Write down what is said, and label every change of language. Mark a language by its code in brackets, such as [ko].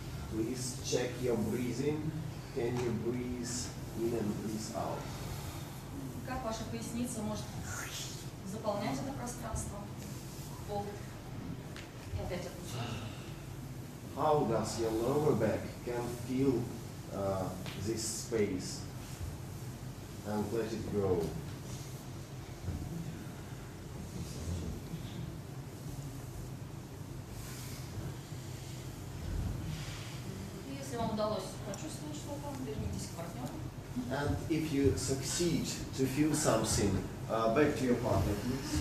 [en] Please check your breathing. Can you breathe in and breathe out? [ru] Как ваша поясница может заполнять это пространство, пол и опять отпустить? [en] How does your lower back can fill this space and let it go? [ru] Если вам удалось почувствовать что-то, вернитесь к партнеру. [en] And if you succeed to feel something, back to your partner, please.